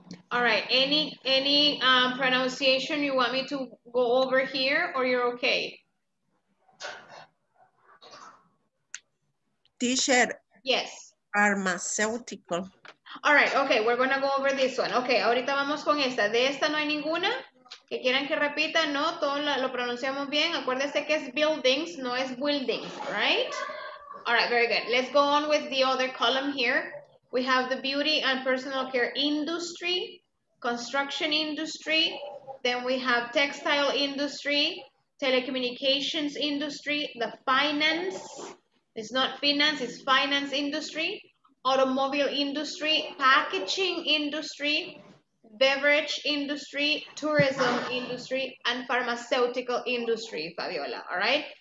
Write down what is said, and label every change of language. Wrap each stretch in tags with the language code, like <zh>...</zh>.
<en>All right, any pronunciation you want me to go over here, or you're okay? T-shirt. Yes. Pharmaceutical. All right, okay, we're gonna go over this one.</en> <es>Okay, ahorita vamos con esta. De esta no hay ninguna. Que quieran que repita, no, todo lo pronunciamos bien. Acuérdese que es buildings, no es buildings,</es> <en>right? All right, very good. Let's go on with the other column here. We have the beauty and personal care industry, construction industry, then we have textile industry, telecommunications industry, the finance, it's not finance, it's finance industry, automobile industry, packaging industry, beverage industry, tourism industry, and pharmaceutical industry, Fabiola, all right?</en>